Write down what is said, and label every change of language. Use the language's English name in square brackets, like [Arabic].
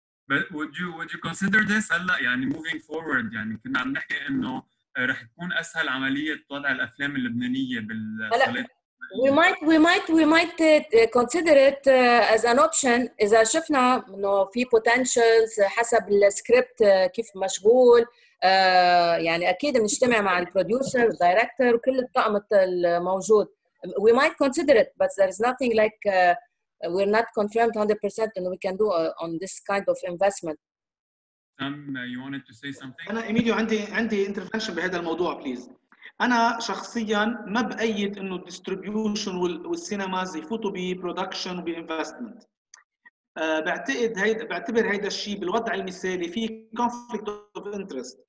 [English] But would you consider this [Arabic] هلا يعني [English] moving forward؟ [Arabic] يعني كنا عم نحكي إنه رح تكون أسهل عملية وضع الأفلام اللبنانية بالصالات. [English] We might consider it as an option [Arabic] إذا شفنا إنه في potentials حسب السكريبت كيف مشغول. يعني أكيد بنجتمع مع البروديوسر والدايركتور وكل الطاقم الموجود. [English] We might consider it, but there is nothing like we're not confirmed 100% and we can do on this kind of investment. Sam, you wanted to say something? [Arabic] أنا إيميليو عندي intervention بهذا الموضوع، [English] please. [Arabic] انا شخصيا ما بايد انه الديستريبيوشن والسينماز يفوتوا ببرودكشن وبانفستمنت. بعتقد هيدا بعتبر هيدا الشيء بالوضع المثالي في كونفليكت اوف انترست